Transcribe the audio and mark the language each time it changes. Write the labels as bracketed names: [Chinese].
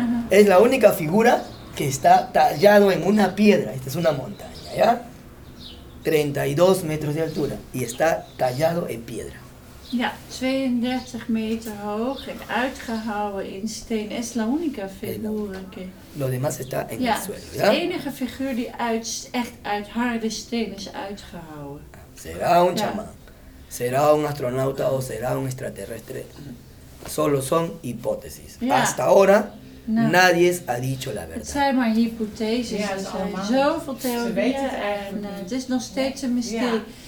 [Spanish] Es la única figura que está tallado en una piedra. Esta es una montaña, ¿ya? 32 metros de altura y está tallado en piedra. [Dutch] Ja, 32 meter hoog en uitgehouwen in steen. [Spanish] Es la única figura que... Lo demás está en el suelo, ¿ya? [Dutch] De enige figuur die uit, echt uit harde steen is uitgehouwen. [Spanish] Será un chamán, será un astronauta o será un extraterrestre. Solo son hipótesis. Ja. Hasta ahora, nadie ha dicho la verdad. [Dutch] Het zijn maar hypotheses. Ja, het zijn zoveel theorieën. Ze weten het eigenlijk. Het is nog steeds een mysterie.